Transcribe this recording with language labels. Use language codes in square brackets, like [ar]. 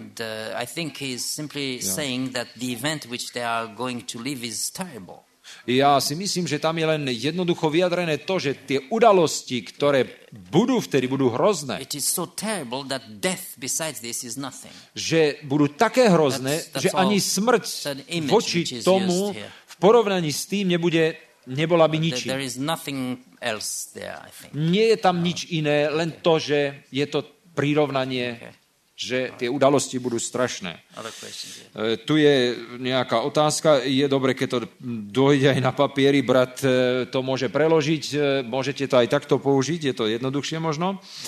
[en] And, I think he's simply saying that the event which they are going to live is terrible. [sk] Ja si myslím, že tam je len jednoducho vyjadrené to, že tie udalosti, ktoré budú vtedy, budú hrozné. [en] It is so terrible that death besides this is nothing. [sk] Že budú také hrozné, že ani smrť voči tomu v porovnaní s tým nebola by ničím. [en] There is nothing else there, I think. [sk] Nie je tam nič iné, len to, že je to prirovnanie, že tie udalosti budú strašné. Tu je nejaká otázka, je dobre, keď to dojde aj na papieri, brat to môže preložiť, môžete to aj takto použiť, je to jednoduchšie možno.